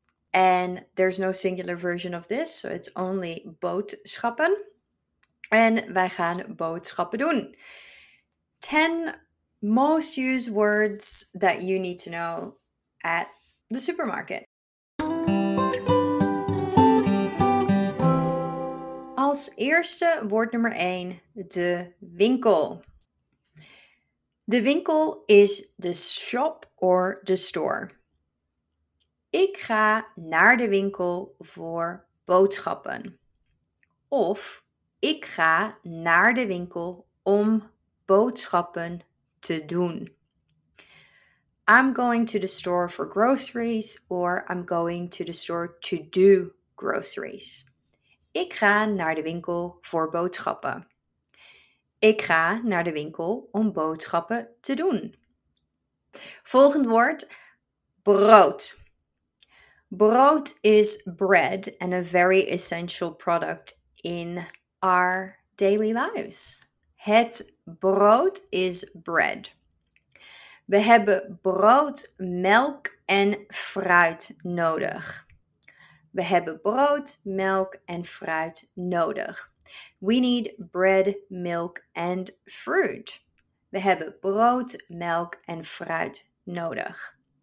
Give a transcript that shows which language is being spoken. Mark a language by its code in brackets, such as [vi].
[en] And there's no singular version of this, so it's only boodschappen. [nl] En wij gaan boodschappen doen. [en] 10 most used words that you need to know at the supermarket. [nl] Als eerste woord nummer 1, de winkel. De winkel is de [en] shop or the store. [nl] Ik ga naar de winkel voor boodschappen. Of ik ga naar de winkel om boodschappen te doen. [en] I'm going to the store for groceries, or I'm going to the store to do groceries. [nl] Ik ga naar de winkel voor boodschappen. Ik ga naar de winkel om boodschappen te doen. Volgend woord, brood. [en] Brood is bread and a very essential product in our daily lives. [nl] Het brood is bread. We hebben brood, melk en fruit nodig. We hebben brood, melk en fruit nodig. [en] We need bread, milk and fruit. [nl] We hebben brood, melk en fruit nodig.